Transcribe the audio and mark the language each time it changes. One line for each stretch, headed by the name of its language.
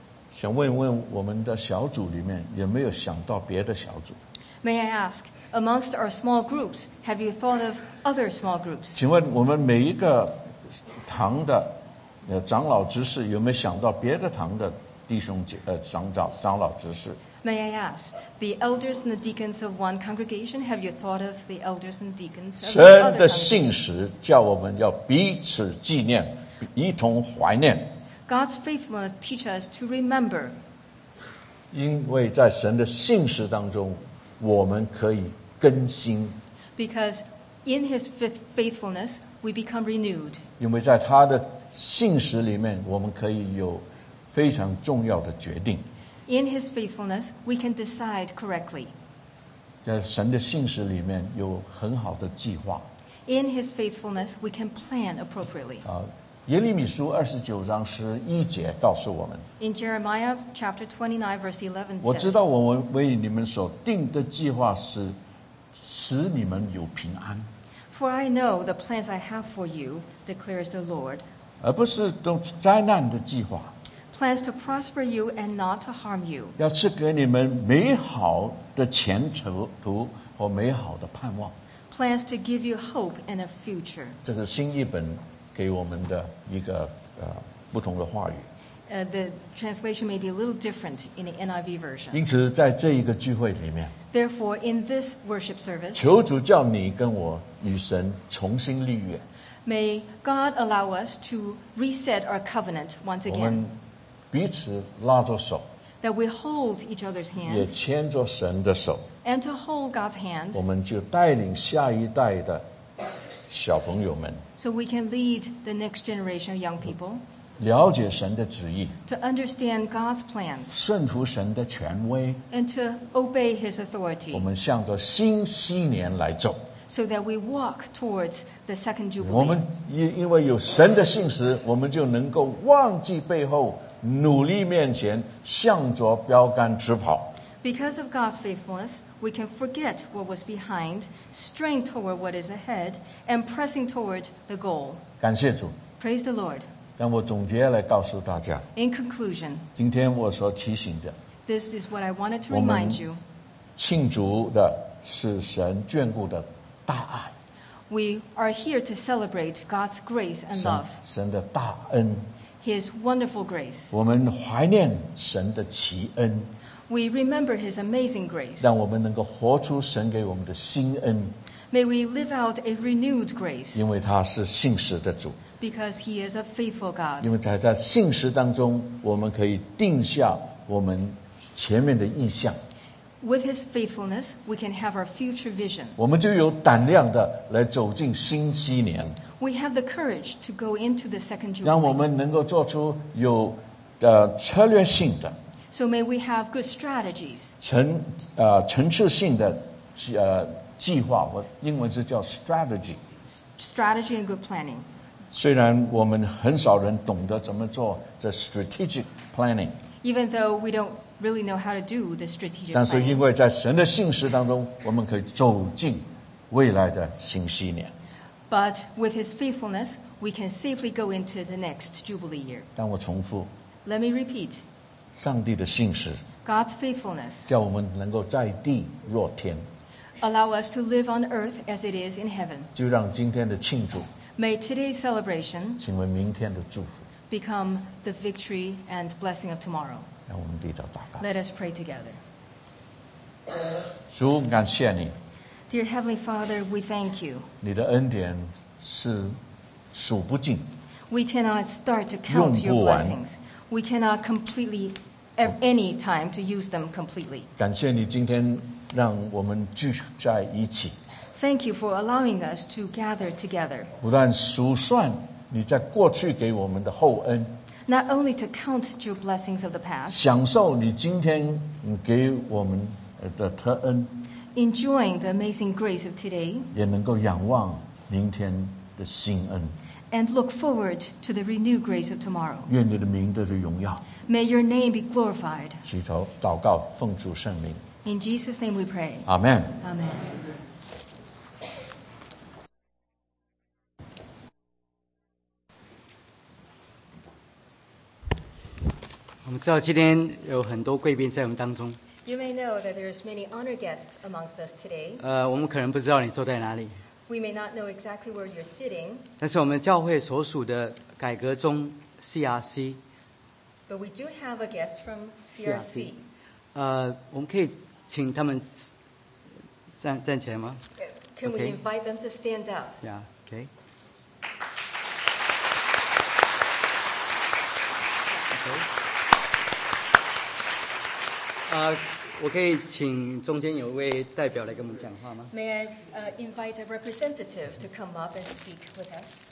Chinese: 想问问我们的小组里面有没有想到别的小组？
English: May I ask, amongst our small groups, have you thought of other small groups?
Chinese: 请问我们每一个堂的长老执事有没有想到别的堂的弟兄姐长老执事？
English: May I ask, the elders and the deacons of one congregation, have you thought of the elders and deacons of the other congregation?
Chinese: 神的信实叫我们要彼此纪念，一同怀念。
English: God's faithfulness teaches us to remember.
Chinese: 因为在神的信实当中，我们可以更新。
English: Because in his faithfulness, we become renewed.
Chinese: 因为在他的信实里面，我们可以有非常重要的决定。
English: In his faithfulness, we can decide correctly.
Chinese: 在神的信实里面有很好的计划。
English: In his faithfulness, we can plan appropriately.
Chinese: 耶利米书二十九章十一节告诉我们。
English: In Jeremiah chapter 29 verse 11 says,
Chinese: 我知道我为你们所定的计划是使你们有平安。
English: For I know the plans I have for you, declares the Lord.
Chinese: 而不是灾难的计划。
English: Plans to prosper you and not to harm you.
Chinese: 要赐给你们美好的前途和美好的盼望。
English: Plans to give you hope and a future.
Chinese: 这个新译本给我们的一个不同的话语。
English: The translation may be a little different in the NIV version.
Chinese: 因此在这一个聚会里面。
English: Therefore, in this worship service,
Chinese: 求主叫你跟我与神重新立约。
English: May God allow us to reset our covenant once again.
Chinese: 我们彼此拉着手，
English: that we hold each other's hands,
Chinese: 也牵着神的手，
English: and to hold God's hand,
Chinese: 我们就带领下一代的小朋友们，
English: so we can lead the next generation of young people,
Chinese: 了解神的旨意，
English: to understand God's plans,
Chinese: 顺服神的权威，
English: and to obey His authority,
Chinese: 我们向着新禧年来走，
English: so that we walk towards the second jubilee.
Chinese: 我们因为有神的信实，我们就能够忘记背后，努力面前，向着标杆直跑。
English: Because of God's faithfulness, we can forget what was behind, strain toward what is ahead, and pressing toward the goal.
Chinese: 感谢主。
English: Praise the Lord.
Chinese: 让我总结来告诉大家。
English: In conclusion,
Chinese: 今天我所提醒的，
English: this is what I wanted to remind you.
Chinese: 我们庆祝的是神眷顾的大爱。
English: We are here to celebrate God's grace and love.
Chinese: 神的大恩。
English: His wonderful grace.
Chinese: 我们怀念神的奇恩。
English: We remember His amazing grace.
Chinese: 让我们能够活出神给我们的新恩。
English: May we live out a renewed grace.
Chinese: 因为他是信实的主。
English: Because He is a faithful God.
Chinese: 因为在信实当中，我们可以定下我们前面的意向。
English: With His faithfulness, we can have our future vision.
Chinese: 我们就有胆量的来走进新禧年。
English: We have the courage to go into the second jubilee.
Chinese: 让我们能够做出有策略性的。
English: So may we have good strategies.
Chinese: 层次性的计划，英文是叫 strategy.
English: Strategy and good planning.
Chinese: 虽然我们很少人懂得怎么做
English: the strategic planning, even though we don't really know how to do the strategic planning,
Chinese: 但是因为在神的信实当中，我们可以走进未来的新禧年。
English: But with his faithfulness, we can safely go into the next Jubilee year.
Chinese: 但我重复
English: Let me repeat.
Chinese: 上帝的信实
English: God's faithfulness.
Chinese: 叫我们能够在地若天
English: Allow us to live on earth as it is in heaven.
Chinese: 就让今天的庆祝
English: May today's celebration
Chinese: 成为明天的祝福
English: become the victory and blessing of tomorrow.
Chinese: 让我们低头祷告
English: Let us pray together.
Chinese: 主，感谢你
English: Dear Heavenly Father, we thank you.
Chinese: 你的恩典是数不尽。
English: We cannot start to count your blessings. We cannot completely have any time to use them completely.
Chinese: 感谢你今天让我们聚在一起。
English: Thank you for allowing us to gather together.
Chinese: 不但数算你在过去给我们的厚恩。
English: Not only to count your blessings of the past.
Chinese: 享受你今天给我们的特恩。
English: Enjoying the amazing grace of today,
Chinese: 也能够仰望明天的新恩
English: and look forward to the renewed grace of tomorrow.
Chinese: 愿你的名得着荣耀
English: May your name be glorified.
Chinese: 祈求祷告奉主圣名
English: In Jesus' name we pray. Amen. Amen. We know that today there are many guests among us. You may know that there are many honored guests amongst us today.
Chinese: 我们可能不知道你坐在哪里。
English: We may not know exactly where you're sitting.
Chinese: 但是我们教会所属的改革中 CRC.
English: But we do have a guest from CRC.
Chinese: 我们可以请他们站起来吗
English: ？Can we invite them to stand up? Yeah. Okay. Okay.
Chinese: 我可以请中间有位代表来跟我们讲话吗
English: ？May I invite a representative to come up and speak with us?